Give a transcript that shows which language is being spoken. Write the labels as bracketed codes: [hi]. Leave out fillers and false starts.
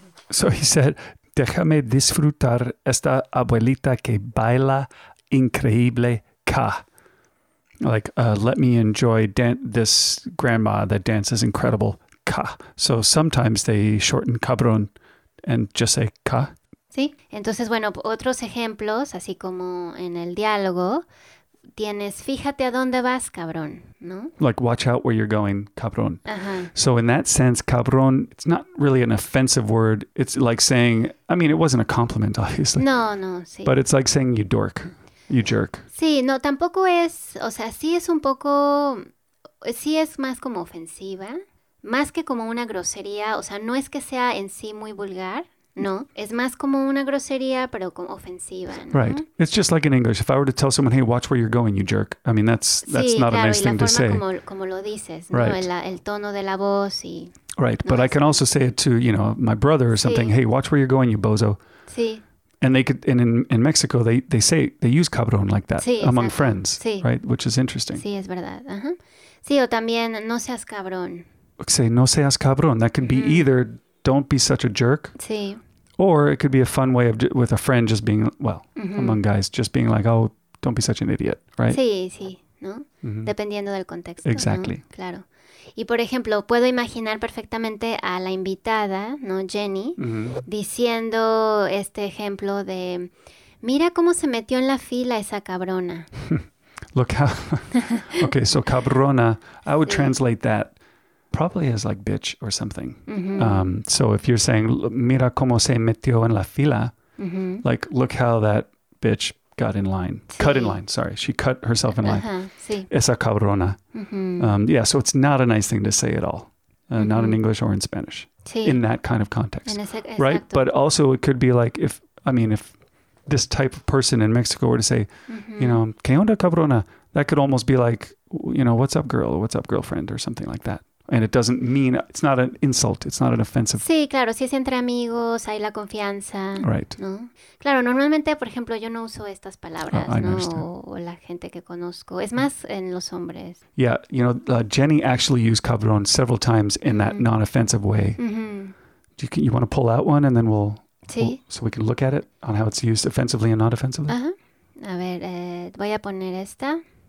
[en] So he said, [es] déjame disfrutar esta abuelita que baila increíble ca. [en] Like, let me enjoy this grandma that dances incredible ca. So sometimes they shorten cabrón and just say ca. [es] Sí, entonces, bueno, otros ejemplos, así como en el diálogo, tienes, fíjate a dónde vas, cabrón, ¿no? [en] Like, watch out where you're going, cabrón. Uh-huh. So in that sense, cabrón, it's not really an offensive word. It's like saying, I mean, it wasn't a compliment, obviously. [es] No, sí. [en] But it's like saying, you dork, you jerk. [es] Sí, no, tampoco es, o sea, sí es un poco, sí es más como ofensiva, más que como una grosería, o sea, no es que sea en sí muy vulgar. No, es más como una grosería, pero como ofensiva, ¿no? [en] Right. It's just like in English. If I were to tell someone, hey, watch where you're going, you jerk. I mean, that's [es] sí, [en] not [es] claro, [en] a nice thing to say. [es] Sí, claro, y la forma como lo dices, ¿no? [en] Right. [es] El tono de la voz y... [en] Right, no, but I can así. Also say it to, you know, my brother or something. [es] Sí. [en] Hey, watch where you're going, you bozo. [es] Sí. [en] And they could, and in Mexico, they use cabrón like that [es] sí, [en] among [es] exacto. [en] friends. [es] Sí. [en] Right, which is interesting. [es] Sí, es verdad. Uh-huh. Sí, o también, no seas cabrón. [en] Say, [es] no seas cabrón. [en] That could be mm-hmm. either... Don't be such a jerk. [es] Sí. [en] Or it could be a fun way of, with a friend just being, well, mm-hmm. among guys, just being like, oh, don't be such an idiot, right? [es] Sí, sí, ¿no? Mm-hmm. Dependiendo del contexto. [en] Exactly. [es] ¿No? Claro. Y por ejemplo, puedo imaginar perfectamente a la invitada, ¿no? Jenny, mm-hmm. diciendo este ejemplo de, mira cómo se metió en la fila esa cabrona. [en] Look how, okay, so cabrona, I would sí. translate that. Probably as like bitch or something. Mm-hmm. So if you're saying, [es] mira cómo se metió en la fila, mm-hmm. [en] like look how that bitch got in line, [es] sí. [en] cut in line, sorry. She cut herself in line. [es] Uh-huh. Sí. Esa cabrona. Mm-hmm. [en] Yeah, so it's not a nice thing to say at all, mm-hmm. not in English or in Spanish, [es] sí. [en] in that kind of context, [es] en ese, [en] right? But also it could be like if this type of person in Mexico were to say, you know, [es] ¿qué onda, cabrona? [en] That could almost be like, you know, what's up, girl? Or what's up, girlfriend? Or something like that. And it doesn't mean, it's not an insult. It's not an offensive. [es] Sí, claro. Si es entre amigos, hay la confianza. [en] Right. [es] ¿No? Claro, normalmente, por ejemplo, yo no uso estas palabras. [en] Oh, I understand. [es] O la gente que conozco. Es más en los hombres. [en] Yeah. You know, Jenny actually used cabrón several times in that non-offensive way. You want to pull out one and then we'll... [es] Sí. [en] We'll, so we can look at it on how it's used offensively and not offensively. [es] A ver, voy a poner esta.